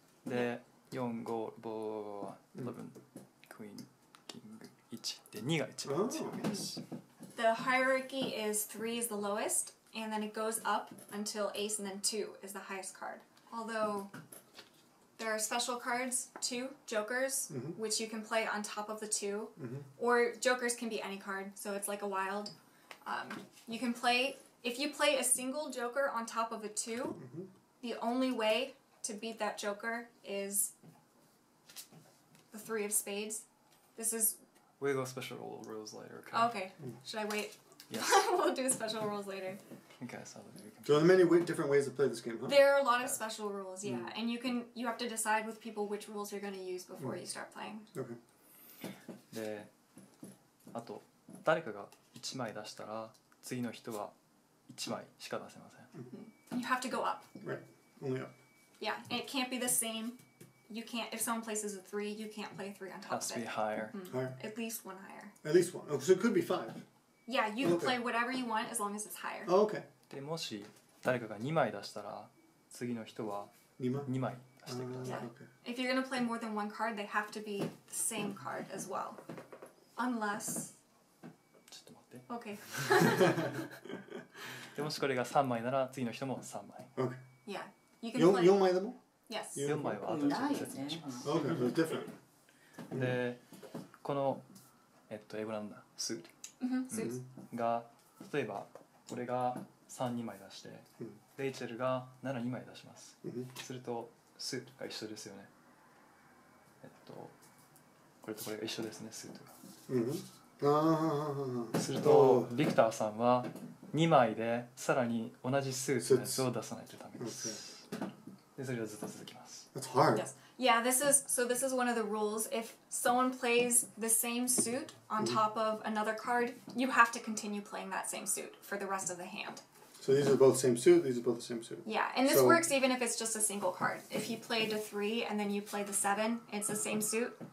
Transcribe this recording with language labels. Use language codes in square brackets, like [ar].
[ja] で、4、5、ボー、11、クイーン、キング、1。で、2が一番強いです。 [en] The hierarchy is 3 is the lowest. And then it goes up until ace and then 2 is the highest card. Although there are special cards, 2, jokers, which you can play on top of the 2. Or jokers can be any card, so it's like a wild. You can play, if you play a single joker on top of a 2, the only way to beat that joker is the 3 of spades. This is... We'll go special rules later. Okay. Should I wait? Yes. We'll do special rules later. So there are many different ways to play this game, huh? There are a lot of special rules, yeah. And you have to decide with people which rules you're going to use before you start playing. Okay. [ja] で、あと、誰かが1枚出したら、次の人は1枚しか出せません。 [en] You have to go up. Right. Only up. Yeah, and it can't be the same. You can't, if someone places a 3, you can't play 3 on top of it. Has to be higher. At least one higher. At least one. Oh, so it could be 5. Yeah, you can play whatever you want as long as it's higher. Oh, okay. [ja] で、もし誰かが2枚出したら、次の人は2枚出してください。 [en] If you're going to play more than one card, they have to be the same card as well. Unless... [ja] ちょっと待って。 [en] Okay. [ja] で、もしこれが3枚なら、次の人も3枚。 [en] Okay. Yeah. You can play... [ja] 4枚でも? [en] Yes. [ja] 4枚は後で説明します。 [en] Okay, so it's different. [ja] で、この、英語なんだ、スーツ。が、例えば俺が3、2枚出して、レイチェルが7、2枚出します。すると、スーツが一緒ですよね。これとこれが一緒ですね、スーツが。すると、ビクターさんは2枚で、さらに同じスーツのやつを出さないとダメです。で、それはずっと続きます。 [en] That's hard. Yes. Yeah, this is one of the rules. If someone plays the same suit on top of another card, you have to continue playing that same suit for the rest of the hand. So these are both the same suit, these are both the same suit. Yeah, and this works even if it's just a single card. If he played a 3 and then you played the 7, it's the same suit.